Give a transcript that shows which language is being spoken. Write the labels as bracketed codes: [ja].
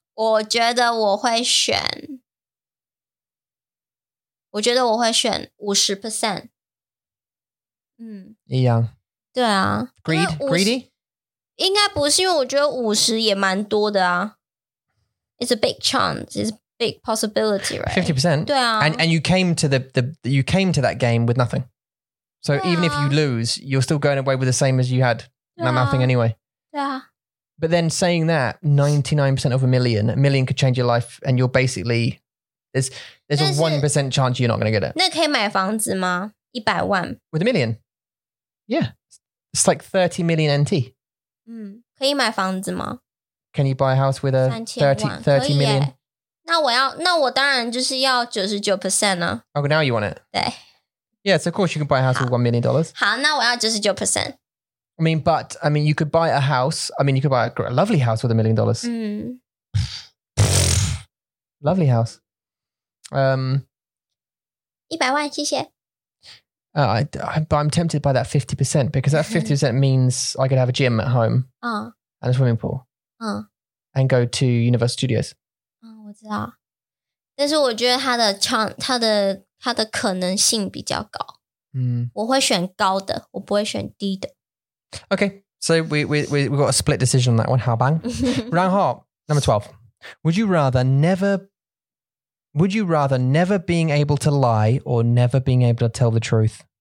[zh] 我觉得我会选，我觉得我会选50%。嗯，一样。对啊 [en] ，greed greedy， [zh] 应该不是，因为我觉得50%也蛮多的啊。 [en] It's a big chance. It's. Big possibility, right? 50%. [zh] 对啊 [en] and you came to the you came to that game with nothing. So、啊、 even if you lose, you're still going away with the same as you had,、啊、 nothing anyway. Yeah. But then saying that, 99% of a million could change your life, and you're basically there's a 1% chance you're not going to get it. [zh] 那可以买房子吗？一百万 [en] with $1 million. Yeah, it's like 30 million NT. [zh] 嗯，可以买房子吗 [en] ？Can you buy a house with a 30 million? [zh] 那我当然就是要 99% 啊。 [en] Okay, now you want it. [zh] 对。 [en] Yeah, so of course you can buy a house with $1 million. [zh] 好，那我要 99%. [en] I mean, you could buy a house. I mean, you could buy a lovely house with $1 million. [zh] 嗯。 [en] Lovely house. [zh] 一百万，谢谢。 [en] But I'm tempted by that 50% because that 50% means I could have a gym at home. [zh] 嗯。 [en] And a swimming pool. [zh] 嗯。 [en] And go to Universal Studios. [zh] 知道，但是我觉得它的可能性比较高。嗯，我会选高的，我不会选低的。 [en] Okay, so we got a split decision on that one. How bang? 然后 number 12, would you rather never being able to lie or never being able to tell the truth?